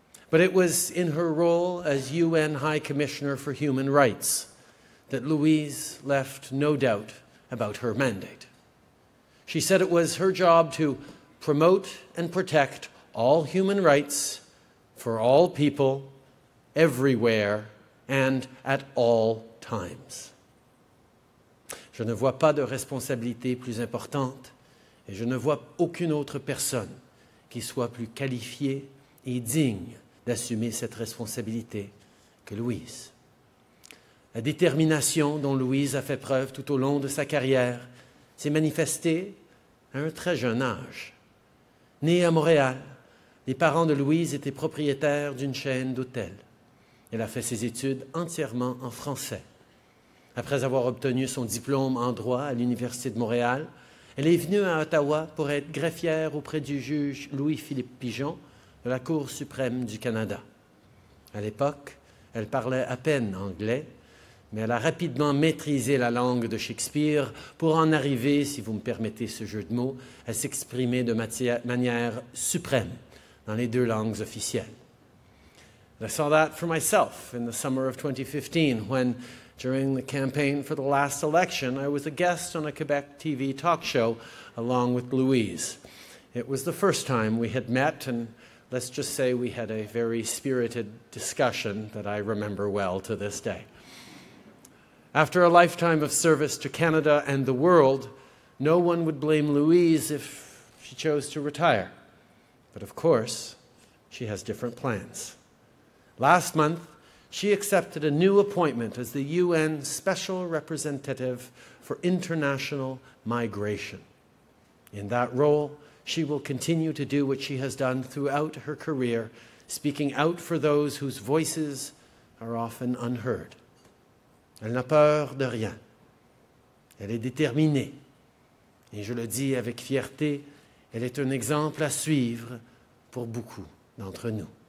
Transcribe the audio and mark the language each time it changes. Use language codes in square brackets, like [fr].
[en] But it was in her role as UN High Commissioner for Human Rights that Louise left no doubt about her mandate. She said it was her job to promote and protect all human rights for all people, everywhere, and at all times. [fr] Je ne vois pas de responsabilité plus importante et je ne vois aucune autre personne qui soit plus qualifiée et digne d'assumer cette responsabilité que Louise. La détermination dont Louise a fait preuve tout au long de sa carrière s'est manifestée à un très jeune âge. Née à Montréal, les parents de Louise étaient propriétaires d'une chaîne d'hôtels. Elle a fait ses études entièrement en français. Après avoir obtenu son diplôme en droit à l'Université de Montréal, elle est venue à Ottawa pour être greffière auprès du juge Louis-Philippe Pigeon de la Cour suprême du Canada. À l'époque, elle parlait à peine anglais, mais elle a rapidement maîtrisé la langue de Shakespeare pour en arriver, si vous me permettez ce jeu de mots, à s'exprimer de manière suprême dans les deux langues officielles. [en] And I saw that for myself in the summer of 2015 when, during the campaign for the last election, I was a guest on a Quebec TV talk show along with Louise. It was the first time we had met, and let's just say we had a very spirited discussion that I remember well to this day. After a lifetime of service to Canada and the world, no one would blame Louise if she chose to retire. But of course, she has different plans. Last month, she accepted a new appointment as the UN Special Representative for International Migration. In that role, she will continue to do what she has done throughout her career, speaking out for those whose voices are often unheard. [fr] Elle n'a peur de rien. Elle est déterminée. Et je le dis avec fierté, elle est un exemple à suivre pour beaucoup d'entre nous.